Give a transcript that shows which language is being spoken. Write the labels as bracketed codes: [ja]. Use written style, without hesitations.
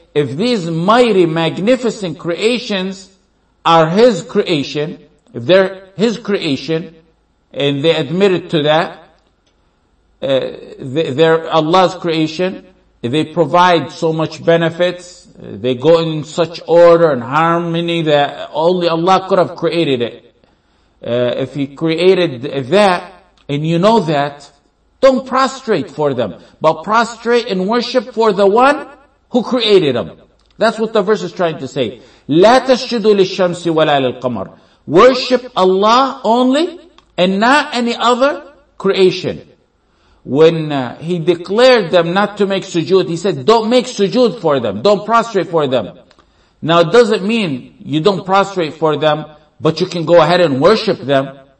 [en] if these mighty, magnificent creations are His creation, if they're His creation, and they admitted to that, they're Allah's creation, they provide so much benefits, they go in such order and harmony that only Allah could have created it. If He created that, and you know that, don't prostrate for them, but prostrate and worship for the one who created them. That's what the verse is trying to say. [ar] لا تسجدوا للشمس ولا للقمر. [en] Worship Allah only and not any other creation. When He declared them not to make sujood, He said, don't make sujood for them. Don't prostrate for them. Now, it doesn't mean you don't prostrate for them, but you can go ahead and worship them.